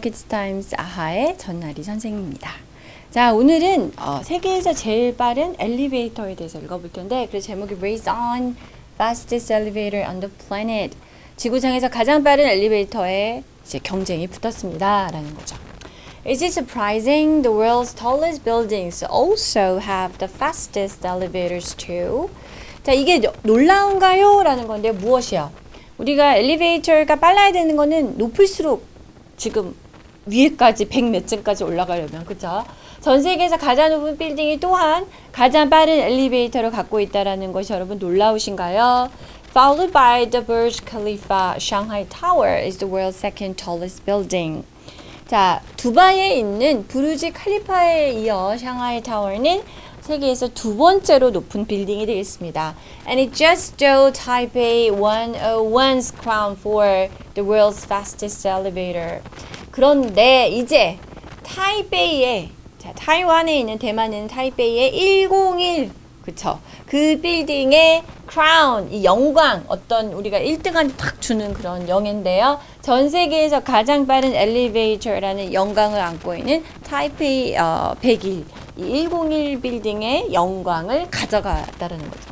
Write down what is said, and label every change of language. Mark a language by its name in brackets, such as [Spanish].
[Korean] 키즈타임즈 아하의 전나리 선생님입니다. 자, 오늘은 세계에서 제일 빠른 엘리베이터에 대해서 읽어볼 텐데, 그래서 제목이 [English] Race on Fastest Elevator on the Planet. [Korean] 지구상에서 가장 빠른 엘리베이터에 이제 경쟁이 붙었습니다. 라는 거죠. [English] Is it surprising the world's tallest buildings also have the fastest elevators too? [Korean] 자, 이게 놀라운가요? 라는 건데, 무엇이요? 우리가 엘리베이터가 빨라야 되는 거는 높을수록 지금 위에까지 100몇 층까지 올라가려면, 그쵸? 전 세계에서 가장 높은 빌딩이 또한 가장 빠른 엘리베이터를 갖고 있다는 것이 여러분 놀라우신가요? [English] Followed by the Burj Khalifa, Shanghai Tower is the world's second tallest building. [Korean] 자, 두바이에 있는 부르지 칼리파에 이어 샹하이 타워는 세계에서 두 번째로 높은 빌딩이 되겠습니다. [English] And it just stole Taipei 101's crown for the world's fastest elevator. [Korean] 그런데 이제 타이베이에, 자, 타이완에 있는 대만은 타이베이의 101, 그쵸? 그 빌딩의 crown, 이 영광, 어떤 우리가 1등한테 탁 주는 그런 영예인데요. 전 세계에서 가장 빠른 엘리베이터라는 영광을 안고 있는 타이페이 101, 101 빌딩의 영광을 가져갔다는 거죠.